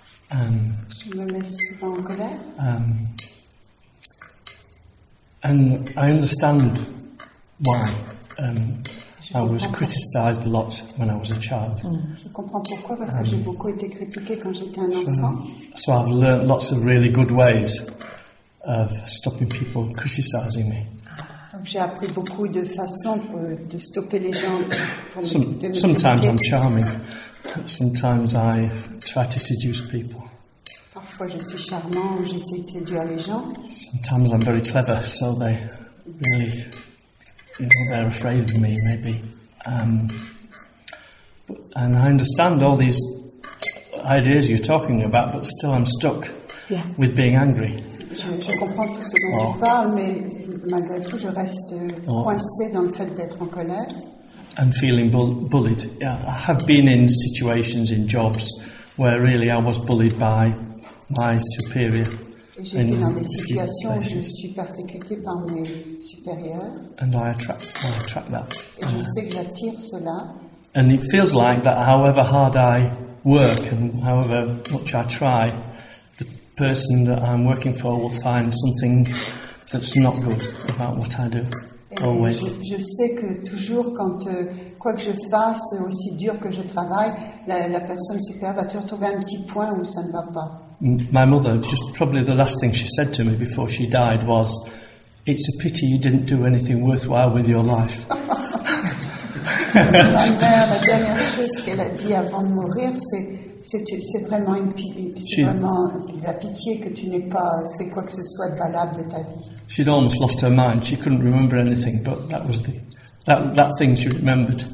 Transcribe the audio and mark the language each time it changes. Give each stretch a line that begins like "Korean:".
English: And I understand why I was criticized a lot when I was a child. So I've learned lots of really good ways of stopping people criticizing me.
French: J'ai appris beaucoup de façons de stopper les gens.
English: Sometimes I'm charming. Sometimes I try to seduce people.
French: Parfois je suis charmant, j'essaie de séduire les gens.
English: Sometimes I'm very clever, so they really, you know, they're afraid of me, maybe. And I understand all these ideas you're talking about, but still I'm stuck with being angry.
French: Je comprends tout ce dont tu parles, mais malgré tout, je reste coincé dans le fait d'être en colère.
English: And feeling bullied. Yeah, I have been in situations in jobs where really I was bullied by my superior.
French: J'étais dans des situations où je suis persécutée par mes supérieurs.
English: And I attract that.
French: Et je sais que j'attire cela.
English: And it feels like that however hard I work and however much I try, the person that I'm working for will find something that's not good about what I do. Always.
French: Je sais que toujours quand quoi que je fasse, aussi dur que je travaille, la personne supérieure va toujours trouver un petit point où ça ne va pas.
English: My mother, just probably the last thing she said to me before she died was, "It's a pity you didn't do anything worthwhile with your life."
French: Ma mère, la dernière chose qu'elle a dit avant de mourir, c'est vraiment vraiment la pitié que tu n'aies pas fait quoi que ce soit de valable de ta vie.
English: She'd almost lost her mind. She couldn't remember anything, but that was the that thing she remembered.